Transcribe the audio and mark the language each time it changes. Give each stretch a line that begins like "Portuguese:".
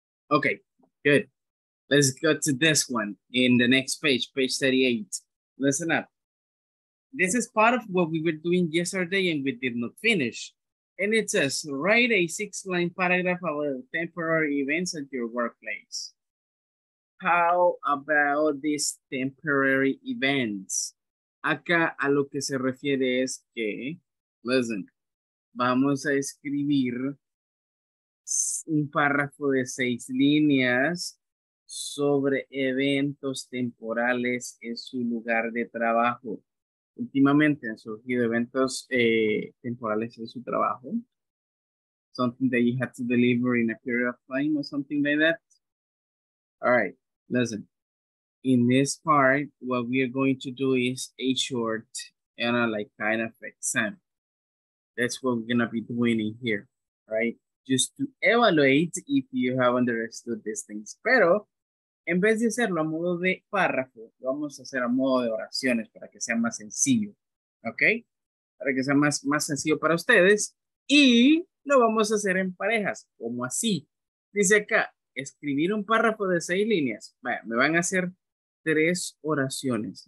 English: Okay, good. Let's go to this one in the next page, page 38. Listen up. This is part of what we were doing yesterday and we did not finish. And it says, write a 6-line paragraph about temporary events at your workplace. How about these temporary events?
Spanish: Acá a lo que se refiere es que, listen, vamos a escribir un párrafo de 6 líneas sobre eventos temporales en su lugar de trabajo. Últimamente han surgido eventos temporales en su trabajo.
English: Something that you had to deliver in a period of time or something like that. All right, listen. In this part, what we are going to do is a short kind of exam. That's what we're going to be doing in here, right? Just to evaluate if you have understood these things.
Spanish: Pero en vez de hacerlo a modo de párrafo, lo vamos a hacer a modo de oraciones para que sea más sencillo, ¿ok? Para que sea más sencillo para ustedes. Y lo vamos a hacer en parejas, como así. Dice acá, escribir un párrafo de 6 líneas. Vaya, me van a hacer 3 oraciones.